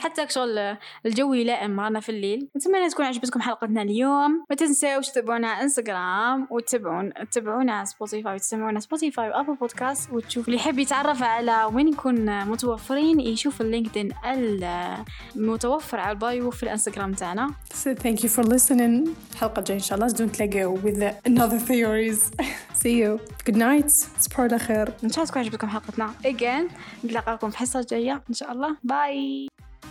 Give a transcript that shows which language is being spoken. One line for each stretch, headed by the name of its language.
Arabic: حتى شغل الجو يلائم معنا في الليل. نتمنى تكون عجبتكم حلقتنا اليوم. ما تنسوش تتابعونا إنستغرام وتتابعونا على سبوتيفاي وتسمعونا سبوتيفاي وأبل بودكاست وتشوف اللي حبي يتعرف على وين نكون متوفرين يشوف اللينكدين المتوفر على البايو في الإنستغرام تاعنا.
English: So thank you for listening.
Arabic: حلقة جاي إن شاء الله.
English: Don't let go with another theories. See you. Good night.
Arabic: سبورت أخير. إن شاء الله تكون عجبتكم حلقتنا.
English: Again.
Arabic: نلقاكم في حصة جاية إن شاء الله.
English: Bye.